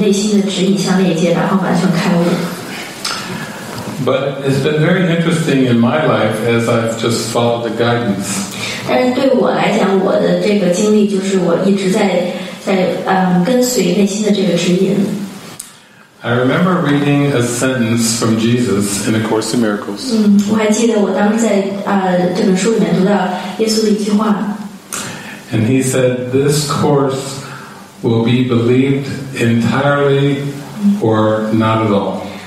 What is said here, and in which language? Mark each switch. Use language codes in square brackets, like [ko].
[zh] 但它本身实际上是一个非常完善的一个系统所以你完全可以就是自己修这本书然后最终跟你内心的指引相连接然后完全开悟 [en] But it's been very interesting in my life as I've just followed the guidance. [zh] 但是对我来讲，我的这个经历就是我一直在跟随内心的这个指引。 [en] I remember reading a sentence from Jesus in A Course in Miracles. [zh] 我还记得我当时在这本书里面读到耶稣的一句话。 [en] And he said, "This course will be believed entirely or not at all."